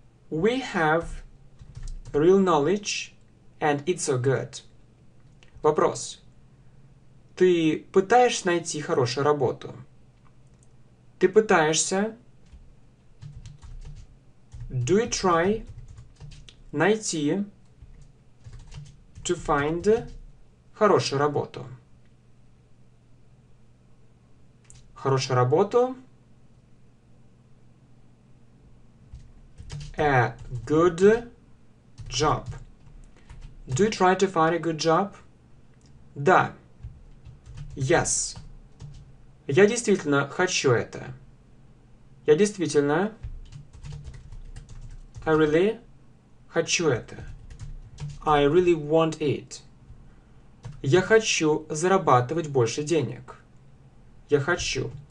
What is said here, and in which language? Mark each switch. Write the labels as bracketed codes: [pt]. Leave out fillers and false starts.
[en] We have real knowledge, and it's so good. [ru] Вопрос. Ты пытаешься найти хорошую работу? Ты пытаешься? [en] Do you try? [ru] Найти, [en] to find, [ru] хорошую работу. Хорошую работу. [en] A good job. Do you try to find a good job? [ru] Да. [en] Yes. [ru] Я действительно хочу это. Я действительно... [en] I really... [ru] Хочу это. [en] I really want it. [ru] Я хочу зарабатывать больше денег. Я хочу.